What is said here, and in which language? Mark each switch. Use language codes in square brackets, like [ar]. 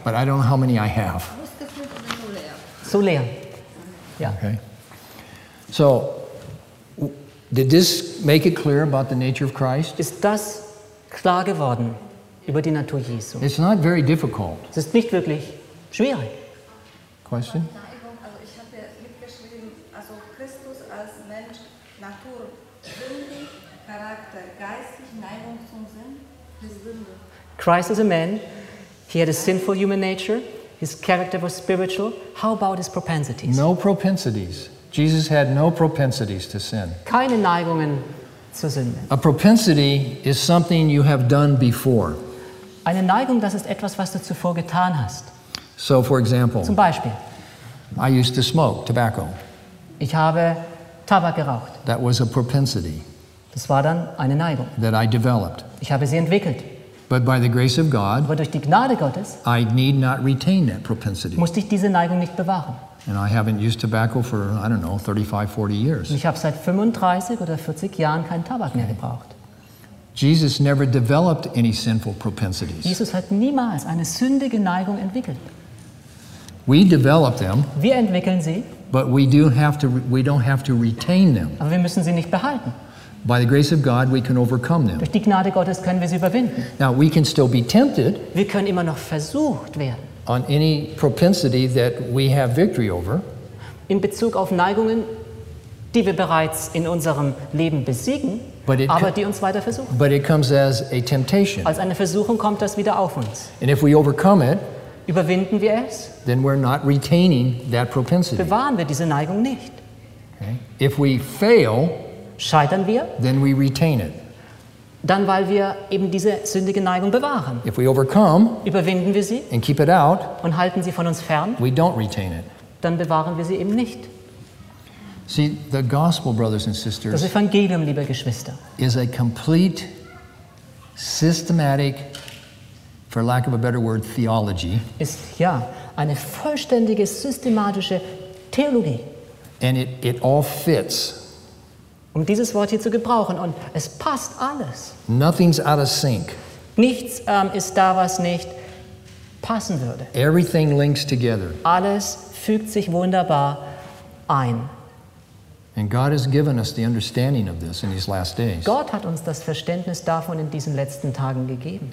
[en] But I don't know how many I have. [de] So leer. Ja. [en] Okay. So, did this make it clear about the nature of Christ? [de] Ist das klar geworden? Über die Natur Jesu. [en] It's not very difficult. [de] Es ist nicht wirklich schwierig. [en] Question? [de] Also ich habe mitgeschrieben, also Christus als Mensch, Natur, sündig, Charakter, geistig, Neigung zum Sinn, die Sünde. [en] Christ as a man, he had a sinful human nature, his character was spiritual. How about his propensities? No propensities. Jesus had no propensities to sin. [de] Keine Neigungen zur Sünde. [en] A propensity is something you have done before. [de] Eine Neigung, das ist etwas, was du zuvor getan hast. [en] So, for example, [de] zum Beispiel, [en] I used to smoke tobacco. [de] Ich habe Tabak geraucht. [en] That was a propensity. [de] Das war dann eine Neigung. [en] That I developed. [de] Ich habe sie entwickelt. [en] But by the grace of God, [de] aber durch die Gnade Gottes, [en] I need not retain that propensity. [de] Musste ich diese Neigung nicht bewahren. [en] And I haven't used tobacco for, I don't know, 35, 40 years. [de] Und ich habe seit 35 oder 40 Jahren keinen Tabak mehr gebraucht. [en] Jesus never developed any sinful propensities. [de] Jesus hat niemals eine sündige Neigung entwickelt. [en] We develop them. [de] Wir entwickeln sie. [en] But we don't have to retain them. [de] Aber wir müssen sie nicht behalten. [en] By the grace of God we can overcome them. [de] Durch die Gnade Gottes können wir sie überwinden. [en] Now we can still be tempted. [de] Wir können immer noch versucht werden. [en] On any propensity that we have victory over. [de] In Bezug auf Neigungen, die wir bereits in unserem Leben besiegen. Aber die uns weiter versuchen. [en] But it comes as a temptation. [de] Als eine Versuchung kommt das wieder auf uns. [en] And if we overcome it, [de] überwinden wir es, [en] then we're not retaining that propensity. [de] Bewahren wir diese Neigung nicht. [en] Okay. If we fail, [de] scheitern wir, [en] then we retain it. [de] Dann, weil wir eben diese sündige Neigung bewahren. [en] If we overcome, [de] überwinden wir sie, [en] and keep it out, [de] und halten sie von uns fern, [en] we don't retain it. [de] Dann bewahren wir sie eben nicht. [en] See, the gospel, brothers and sisters, [de] das Evangelium, liebe Geschwister, [en] is a complete, systematic, for lack of a better word, theology. [de] Ist ja eine vollständige, systematische Theologie. [en] And it all fits. [de] Um dieses Wort hier zu gebrauchen, und es passt alles. [en] Nothing's out of sync. [de] Nichts ist da, was nicht passen würde. [en] Everything links together. [de] Alles fügt sich wunderbar ein. [en] And God has given us the understanding of this in these last days. [de] Gott hat uns das Verständnis davon in diesen letzten Tagen gegeben.